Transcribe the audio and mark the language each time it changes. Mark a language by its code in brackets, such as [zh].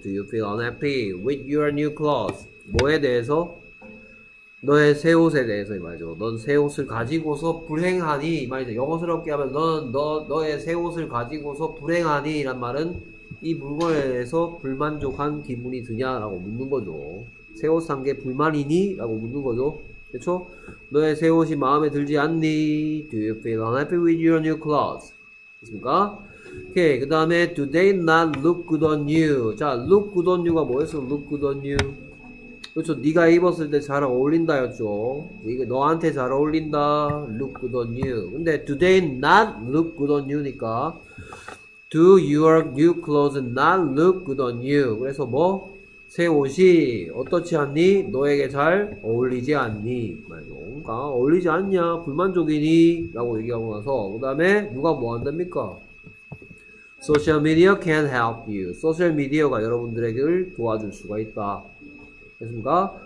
[en] Do you feel unhappy with your new clothes? [ko] 뭐에 대해서? 너의 새 옷에 대해서 이 말이죠. 넌 새 옷을 가지고서 불행하니? 이 말이죠. 영어스럽게 하면 너는 너의 새 옷을 가지고서 불행하니? 이란 말은 이 물건에 대해서 불만족한 기분이 드냐? 라고 묻는 거죠. 새 옷 산 게 불만이니? 라고 묻는 거죠. 그쵸? 너의 새 옷이 마음에 들지 않니? [en] Do you feel unhappy with your new clothes? [ko] 됐습니까? 오케이. 그 다음에 [en] Do they not look good on you? [ko] 자, look good on you가 뭐였어? [en] Look good on you. [ko] 그쵸? 네가 입었을 때 잘 어울린다였죠? 이게 너한테 잘 어울린다. [en] Look good on you. [ko] 근데 [en] Do they not look good on you니까 Do your new clothes not look good on you? [ko] 그래서 뭐? 새 옷이 어떻지 않니? 너에게 잘 어울리지 않니? 그러니까 어울리지 않냐? 불만족이니? 라고 얘기하고 나서 그 다음에 누가 뭐 한답니까? [en] Social media can help you. [ko] 소셜 미디어가 여러분들에게를 도와줄 수가 있다. 됐습니까?